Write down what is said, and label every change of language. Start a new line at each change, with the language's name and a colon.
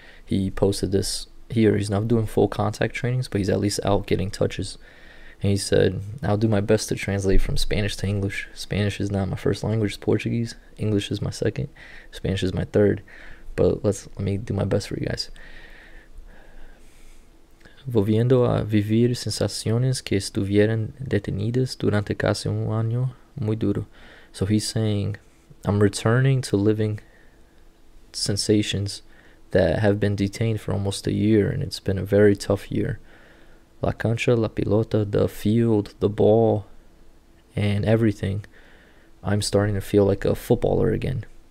English: He posted this here. He's not doing full contact trainings, but he's at least out getting touches. And he said, "I'll do my best to translate from Spanish to English. Spanish is not my first language, it's Portuguese. English is my second. Spanish is my third. But let me do my best for you guys.
Spanish: Volviendo a vivir sensaciones que estuvieran detenidas durante casi un año, muy duro."
English: So he's saying, "I'm returning to living sensations that have been detained for almost a year, and it's been a very tough year.
Spanish: La cancha, la pelota,
English: the field, the ball, and everything. I'm starting to feel like a footballer again.